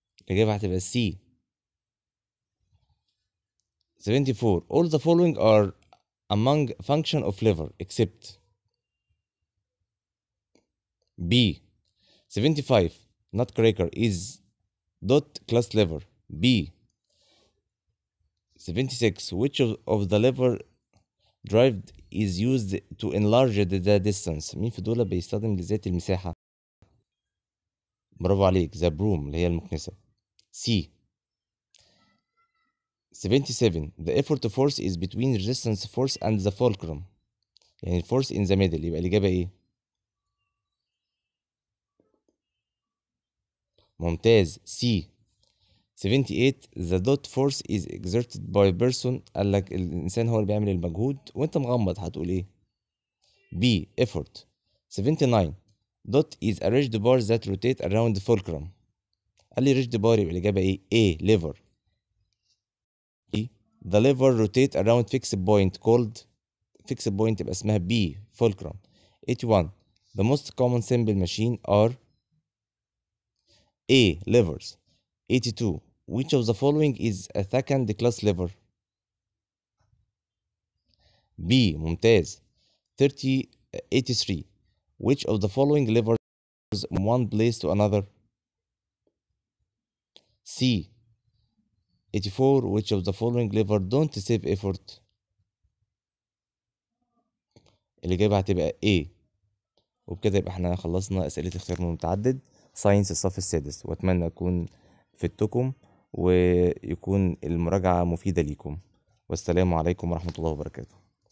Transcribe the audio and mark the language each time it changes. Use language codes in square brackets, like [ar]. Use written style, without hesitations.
[ar] الإجابة هتبقى [en] C 74 all the following are among function of lever except B 75 nutcracker is dot class lever B 76 which of the lever drive is used to enlarge the distance. [ar] مين في دول بيستخدم لذات المساحة؟ برافو عليك. [en] The broom [ar] اللي هي المكنسة. [en] C 77 the effort to force is between resistance force and the fulcrum يعني force in the middle. [ar] يبقى الإجابة إيه؟ ممتاز. [en] C 78 the dot force is exerted by person. [ar] قال لك الإنسان هو اللي بيعمل المجهود وانت مغمض هتقول إيه؟ B effort. [en] 79 dot is a rigid bar that rotate around the fulcrum. [ar] قال لي ريجد بار يبقى الإجابة إيه؟ A lever. [en] B the lever rotate around fixed point called fixed point [ar] يبقى اسمها [en] B fulcrum. 81 the most common symbol machine are A levers. 82 which of the following is a second class lever. [ar] B ممتاز. [en] 83 which of the following levers from one place to another. C 84 which of the following lever don't save effort. [ar] الإجابة هتبقى A. وبكده يبقى احنا خلصنا أسئلة اختيار من متعدد ساينس الصف السادس، واتمنى اكون فدتكم ويكون المراجعة مفيدة ليكم، والسلام عليكم ورحمة الله وبركاته.